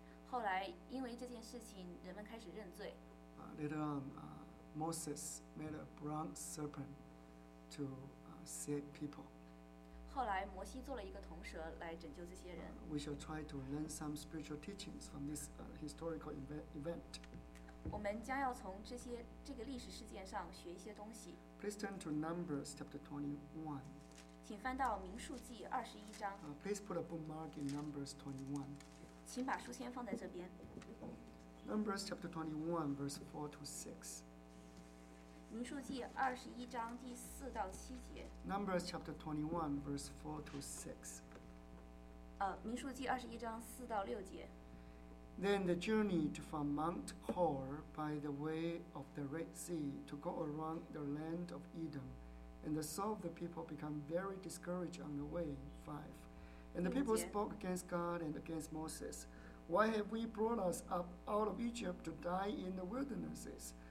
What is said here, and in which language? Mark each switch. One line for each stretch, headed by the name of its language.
Chinese: 后来因为这件事情人们开始认罪。
English: Later on, Moses made a bronze serpent to save people.
Chinese: 后来摩西做了一个铜蛇来拯救这些人。
English: We shall try to learn some spiritual teachings from this historical event.
Chinese: 我们将要从这个历史事件上学一些东西。
English: Please turn to Numbers chapter 21.
Chinese: 请翻到民数记21章。
English: Please put a bookmark in Numbers 21.
Chinese: 请把书签放在这边。
English: Numbers chapter 21, verse 4 to 6.
Chinese: 民数记二十一章第四到七节。
English: Numbers chapter 21, verse 4 to 6.
Chinese: 民数记二十一章四到六节。
English: Then they journeyed from Mount Hor by the way of the Red Sea to go around the land of Edom, and the soul of the people became very discouraged on the way. 5. And the people spoke against God and against Moses. Why have we brought us up out of Egypt to die in the wildernesses?